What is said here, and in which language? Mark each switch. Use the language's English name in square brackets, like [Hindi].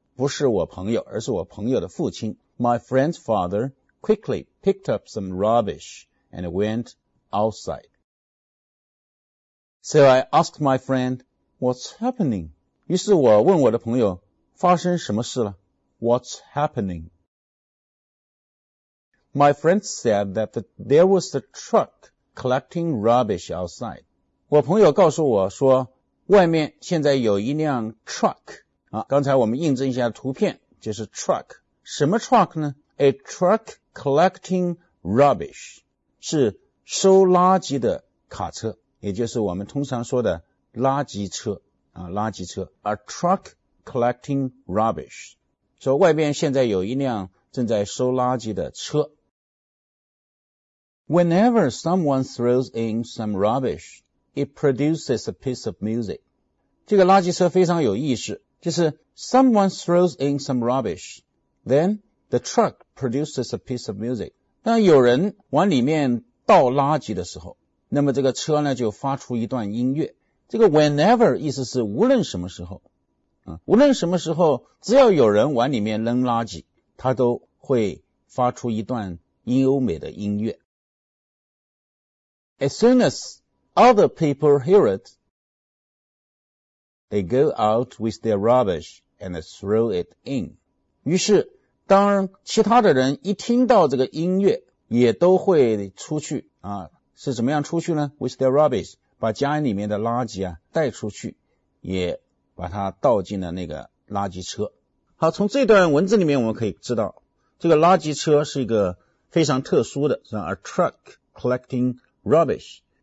[Chinese] 不是我朋友，而是我朋友的父亲。 [English] My friend's father quickly picked up some rubbish and went outside. So I asked my friend, what's happening? [Chinese] 于是我问我的朋友发生什么事了 [English] ?What's happening? My friend said that there was a truck collecting rubbish outside. [Chinese] 我朋友告诉我说外面现在有一辆 truck。刚才我们印证一下图片就是 truck。什么 truck 呢 [English] ?A truck collecting rubbish. [Chinese] 是收垃圾的卡车，也就是我们通常说的垃圾车。垃圾车。 [English] A truck collecting rubbish. [Chinese] 说外边现在有一辆正在收垃圾的车。 [English] Whenever someone throws in some rubbish, it produces a piece of music. [Chinese] 这个垃圾车非常有意思，就是 [English] someone throws in some rubbish, then the truck produces a piece of music. [Chinese] 当有人往里面倒垃圾的时候，那么这个车呢就发出一段音乐。这个 whenever 意思是无论什么时候，无论什么时候，只要有人往里面扔垃圾，它都会发出一段优美的音乐。 As soon as other people hear it, they go out with their rubbish and throw it in. 于是当其他的人一听到这个音乐也都会出去啊，是怎么样出去呢？ [English] With their rubbish, [Chinese] 把家里面的垃圾啊带出去，也把它倒进了那个垃圾车。好，从这段文字里面我们可以知道，这个垃圾车是一个非常特殊的，是 [English] a truck collecting rubbish.